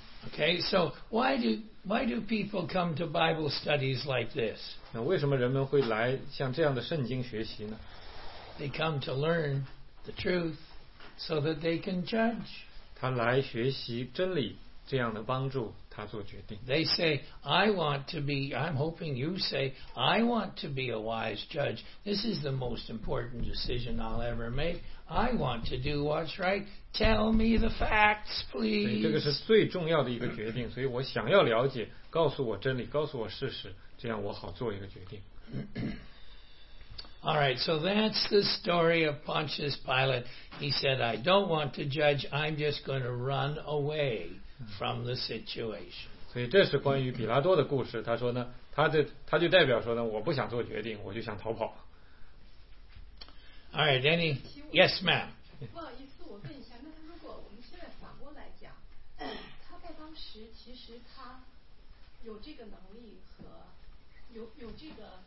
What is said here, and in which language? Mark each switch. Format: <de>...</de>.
<en>Okay, so why do people come to Bible studies like this?</en> <zh>那为什么人们会来像这样的圣经学习呢？</zh> <en>They come to learn the truth so that they can judge.</en> <zh>他来学习真理，这样的帮助他做决定。</zh> <en>They say, I'm hoping you say, I want to be a wise judge. This is the most important decision I'll ever make. I want to do what's right. Tell me the facts, please.</en> <zh>这个是最重要的一个决定，所以我想要了解，告诉我真理，告诉我事实，这样我好做一个决定。</zh> <en>All right, so that's the story of Pontius Pilate. He said, I don't want to judge, I'm just going to run away from the situation.</en> <zh>所以这是关于比拉多的故事，他说呢，他就代表说呢，我不想做决定，我就想逃跑。</zh> <en>All right, any? Yes, ma'am.</en> <zh>不好意思，我问一下，那如果我们现在反过来讲，他在当时其实他有这个能力和有这个</zh>